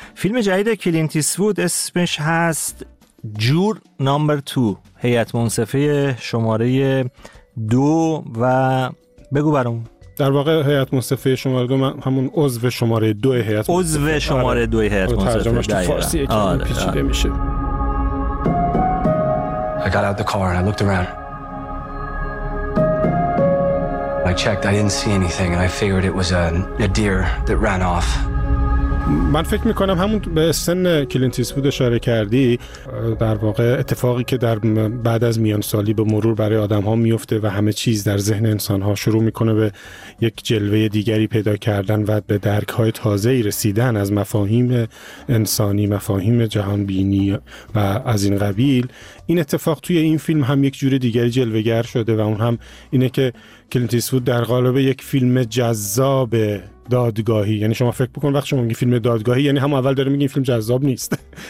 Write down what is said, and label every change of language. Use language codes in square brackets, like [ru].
[fa] فیلم جدید کلینت ایستوود اسمش هست جور نمبر 2، هیئت منصفه شماره 2، و بگو برام. در واقع هیئت منصفه شماره 2، همون عضو شماره 2 هیئت منصفه، عضو شماره 2 هیئت منصفه، ترجمهش تو فارسیه که پیچیده میشه. [en] I got out the car and I looked around. I checked, I didn't see anything and I figured it was a deer that ran off. [fa] من فکر میکنم همون به سن کلینت ایستوود اشاره کردی، در واقع اتفاقی که در بعد از میانسالی به مرور برای آدم ها میفته و همه چیز در ذهن انسان ها شروع میکنه به یک جلوه دیگری پیدا کردن و به درک های تازه ای رسیدن از مفاهیم انسانی، مفاهیم جهان بینی و از این قبیل، این اتفاق توی این فیلم هم یک جور دیگری جلوه‌گر شده و اون هم اینه که کلینت ایستوود در قالب یک فیلم جذاب دادگاهی، یعنی شما فکر بکن وقتی شما میگی فیلم دادگاهی، یعنی هم اول داره میگی فیلم جذاب نیست.